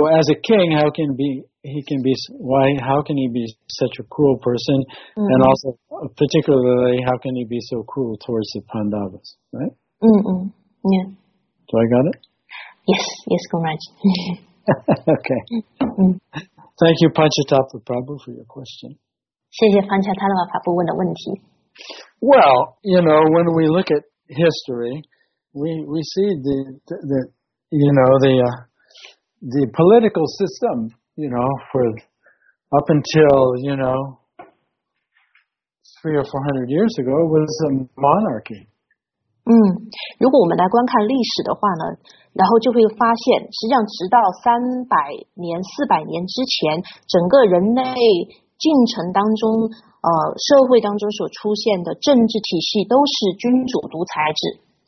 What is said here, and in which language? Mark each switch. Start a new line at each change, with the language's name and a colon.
English: as a king, how can he be such a cruel person? Mm-hmm. And also, particularly, how can he be so cruel towards the Pandavas, right? Mm-hmm. Yeah. Do I got it? Yes, Gomaraj. Okay. Thank you, Panchatattva Prabhu, for your question.
Chinese: 谢谢 Panchatattva Prabhu 问的问题。
English: Well, you know, when we look at history, we see the political system, you know, for up until, you know, 300 or 400 years ago was a monarchy.
Chinese: 如果我们来观看历史的话呢，然后就会发现实际上直到300年、400年之前，整个人类进程当中社会当中所出现的政治体系都是君主独裁制。